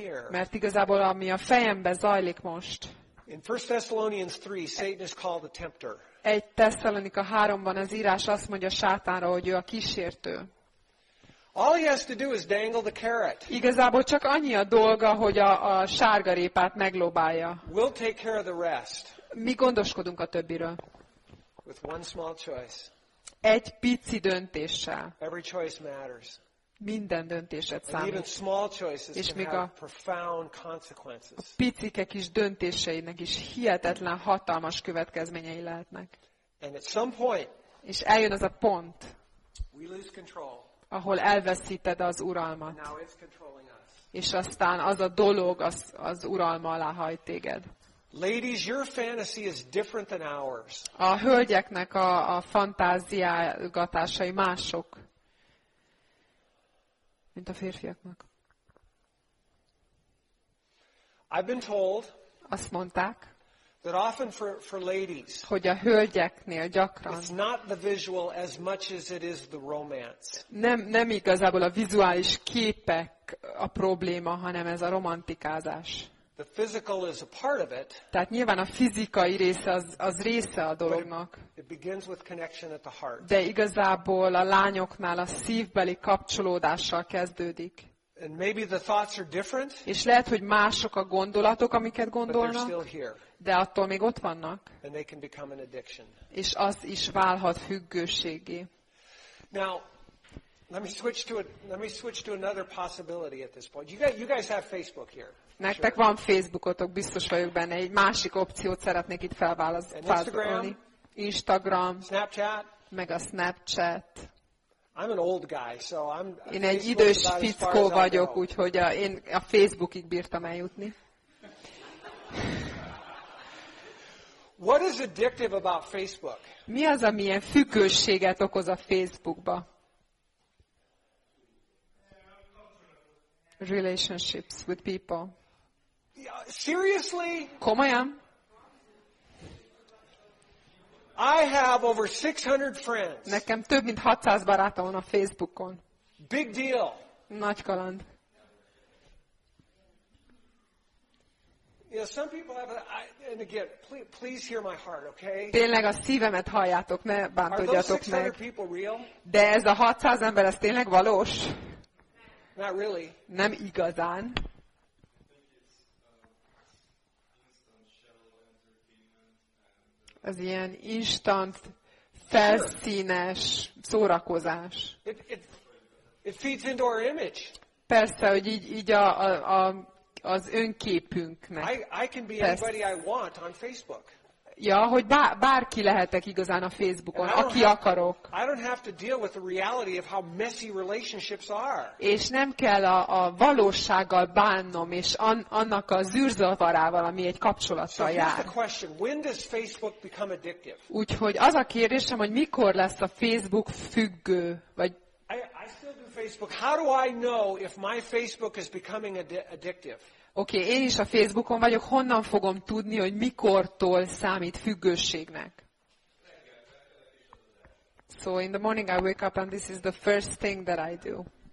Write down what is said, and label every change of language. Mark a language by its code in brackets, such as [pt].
[hu] Mert igazából ami a fejembe zajlik most. [en] In 1 Thessalonians 3, Satan is called the tempter. [hu] 1 Thessalonika 3-ban az írás azt mondja Sátánra, hogy ő a kísértő. [en] All he has to do is dangle the carrot. [hu] Igazából csak annyi a dolga, hogy a sárgarépát meglobálja. [en] We'll take care of the rest. [hu] Mi gondoskodunk a többiről. [en] With one small choice. [hu] Egy pici döntéssel. [en] Every choice matters. [hu] Minden döntésed számít. [en] Even small choices [hu] és még [en] have profound consequences. [hu] A picikek is döntéseinek is hihetetlen hatalmas következményei lehetnek. [en] And at some point, [hu] és eljön az a pont, [en] we lose control. [hu] Ahol elveszíted az uralmat. És aztán az a dolog az uralma alá hajt téged. [en] Ladies, your fantasy is different than ours. [hu] A hölgyeknek a fantáziálgatásai mások, mint a férfiaknak. [en] I've been told, [hu] azt mondták, [en] that often for ladies, [hu] hogy a hölgyeknél gyakran [en] it's not the visual as much as it is the romance. [hu] Nem igazából a vizuális képek a probléma, hanem ez a romantikázás. [en] The physical is a part of it. [hu] Tehát nyilván a fizikai része az része a dolognak. [en] It begins with connection at the heart. [hu] De igazából a lányoknál a szívbeli kapcsolódással kezdődik. [en] And maybe the thoughts are different. [hu] És lehet, hogy mások a gondolatok, amiket gondolnak. De attól még ott vannak. [en] And they can become an addiction. [hu] És az is válhat függőségé. [en] Now, let me switch to another possibility at this point. You guys have Facebook here. [hu] Nektek van Facebookotok, biztos vagyok benne. Egy másik opciót szeretnék itt felvázolni. [en] Instagram, Snapchat, [hu] meg a Snapchat. [en] I'm an old guy, so I'm. [hu] Én egy idős fickó vagyok, úgyhogy én a Facebookig bírtam eljutni. [en] What is addictive about Facebook? [hu] Mi az, amilyen függőséget okoz a Facebookba? [en] Relationships with people. Seriously? [hu] Komolyan? [en] I have over 600 friends. [hu] Nekem több mint 600 barátom van a Facebookon. [en] Big deal. [hu] Nagy kaland. [en] You know, some people have and again, please hear my heart, okay? [hu] Tényleg a szívemet halljátok, ne bántódjatok meg. [en] Are those 600 people real? [hu] De ez a 600 ember, ez tényleg valós? [en] Not really. [hu] Nem igazán. Az ilyen instant, felszínes szórakozás. [en] It feeds into our image. [hu] Persze, hogy így az önképünknek. [en] I can be anybody I want on Facebook. [hu] Ja, hogy bárki lehetek igazán a Facebookon, aki akarok. [en] I don't have to deal with the reality of how messy relationships are. [hu] És nem kell a valósággal bánnom, és annak a zűrzavarával, ami egy kapcsolattal [en] so [hu] jár. [en] Here's the question. When does Facebook become addictive? [hu] Úgyhogy az a kérdésem, hogy mikor lesz a Facebook függő, vagy [en] I still do Facebook. How do I know if my Facebook is becoming addictive? [hu] Okay, én is a Facebookon vagyok. Honnan fogom tudni, hogy mikortól számít függőségnek? [en] So in the morning I wake up and this is the first thing that I do.